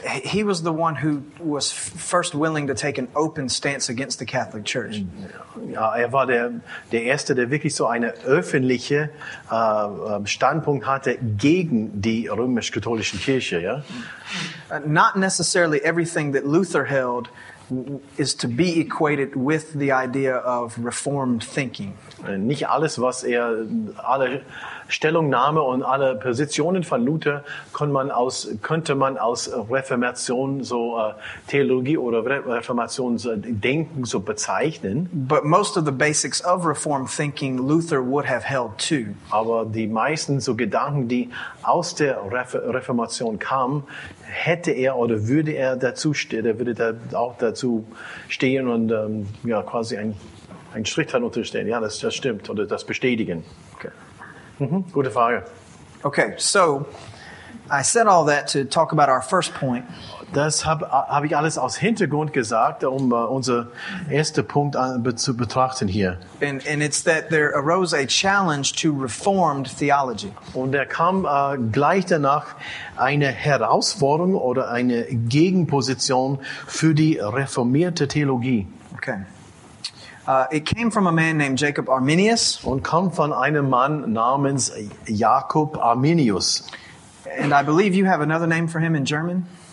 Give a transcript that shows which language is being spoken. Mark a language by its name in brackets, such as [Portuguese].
[English] He was the one who was first willing to take an open stance against the Catholic Church. [German] Ja, er war der Erste, der wirklich so eine öffentliche Standpunkt hatte gegen die römisch-katholische Kirche. Ja? [English] Not necessarily everything that Luther held is to be equated with the idea of reformed thinking. [German] Nicht alles, was er alle Stellungnahme und alle Positionen von Luther könnte man aus Reformation so Theologie oder Reformation so Denken so bezeichnen. [English] But most of the basics of Reform thinking Luther would have held to. [German] Aber die meisten so Gedanken, die aus der Reformation kamen, hätte er oder würde er dazu stehen, er würde da auch dazu stehen und ja quasi ein Strich darunter stehen. Ja, das stimmt oder das bestätigen. Okay. Gute Frage. [English] Okay, so I said all that to talk about our first point. [German] Das hab ich alles aus Hintergrund gesagt, um unser erster Punkt zu betrachten hier. [English] And it's that there arose a challenge to Reformed theology. [German] Und da kam gleich danach eine Herausforderung oder eine Gegenposition für die reformierte Theologie. [English] Okay. It came from a man named Jacob Arminius. [German] Und kam von einem Mann namens Jakob Arminius. [English] And I believe you have another name for him in German.